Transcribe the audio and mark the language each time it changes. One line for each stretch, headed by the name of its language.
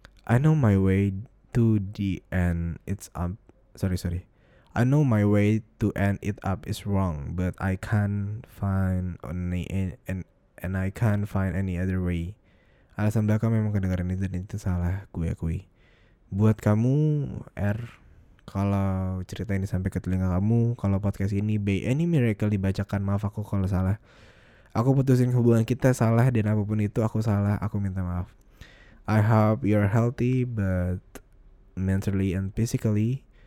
English: I know my way to end it up is wrong, but I can't find any other way.
Indonesian: Alasan belakang memang kedengaran itu dan itu salah, gue akui. Buat kamu R, kalau cerita ini sampai ke telinga kamu, kalau podcast ini
English: by any miracle
Indonesian: dibacakan, maaf aku kalau salah. Aku putusin hubungan kita salah dan apapun itu aku salah, aku minta maaf.
English: I hope you're healthy but mentally and physically.